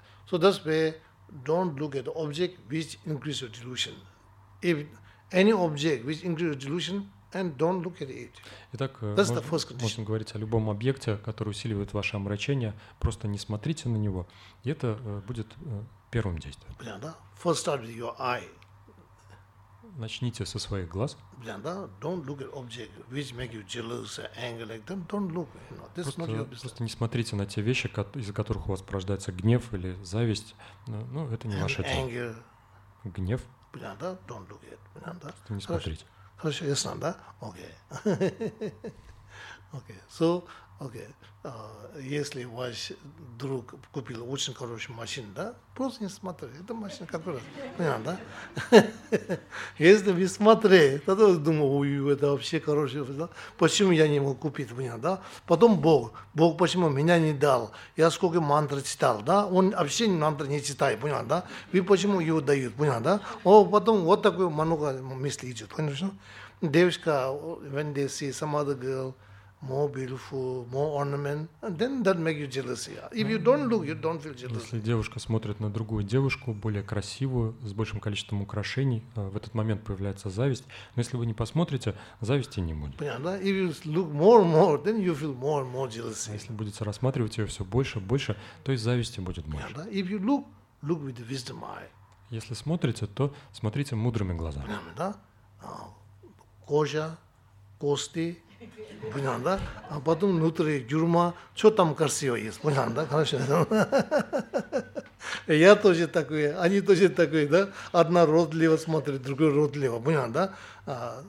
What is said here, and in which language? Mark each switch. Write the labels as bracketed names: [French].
[English] So that's where don't look at object which increase your delusion. If any object which increase your delusion, and don't look at it. [Russian] Итак, можно говорить о любом объекте, который усиливает ваше омрачение, просто не смотрите на него, и это будет первым действием. Понятно, да? [English] First start with your eye. [Russian] Начните со своих глаз. [English] Don't look at object which make you jealous or anger like them. Don't look. You know, this is not your business. [Russian] Просто не смотрите на те вещи, из-за которых у вас порождается гнев или зависть. Ну, это не ваше дело. [English] Anger. [Russian] Гнев. Понятно? [English] Don't look at. Понятно? [Russian] Просто не смотрите. Хорошо, ясно, да? Окей. Окей. So, окей. Okay. Если ваш друг купил очень хорошую машину, да? Просто не смотри. Это машина, которая... Понятно, да? Если вы смотрели, тогда я думаю, ой, это вообще хорошее. Да? Почему я не мог купить? Понятно, да? Потом Бог. Бог почему меня не дал? Я сколько мантры читал, да? Он вообще мантры не читает, понятно, да? Вы почему его дают, понятно, да? О, потом вот такой много мысли идет, конечно. Девушка, [English] when they see some other girl, more beautiful, more ornament, and then that makes you jealous. If you don't look, you don't feel jealous. [Russian] Если девушка смотрит на другую девушку, более красивую, с большим количеством украшений, в этот момент появляется зависть. Но если вы не посмотрите, зависти не будет. Понятно? [English] If you look more and more, then you feel more and more jealous. [Russian] Если будете рассматривать ее все больше и больше, то и зависти будет больше. Понятно? [English] If you look, look with the wisdom eye. [Russian] Если смотрите, то смотрите мудрыми глазами. Понятно, да? Кожа, кости, понятно, да? А потом внутри дюрма, что там красиво есть, понятно, да? Хорошо. Я тоже такой, они тоже такой, да? Одна родлива смотрит, другая родлива, понятно, да?